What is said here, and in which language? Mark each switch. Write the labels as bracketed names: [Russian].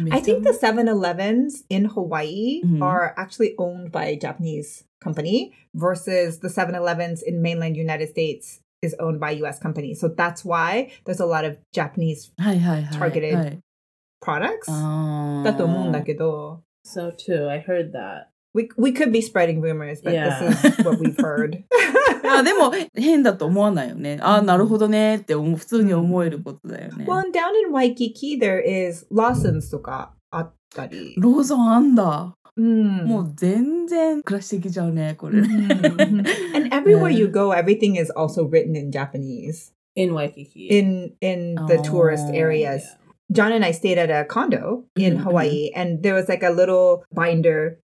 [English] I think the 7-Elevens in Hawaii are actually owned by a Japanese company versus the 7-Elevens in mainland United States is owned by a U.S. company. So that's why there's a lot of Japanese targeted products [Japanese] だと思うんだけど。 [English] So too, I heard that. We could be spreading rumors, but this is what we've heard. [Japanese] あ、でも変だと思わないよね。あ、なるほどねって普通に思えることだよね。 [English] Well, down in Waikiki, there is Lawson's [Japanese] とかあったり。ローソンあんだ。 Mm. もう全然クラシックじゃんね、これ。 [English] And everywhere you go, everything is also written in Japanese. In Waikiki. In the tourist areas. Yeah. John and I stayed at a condo in Hawaii, and there was like a little binder.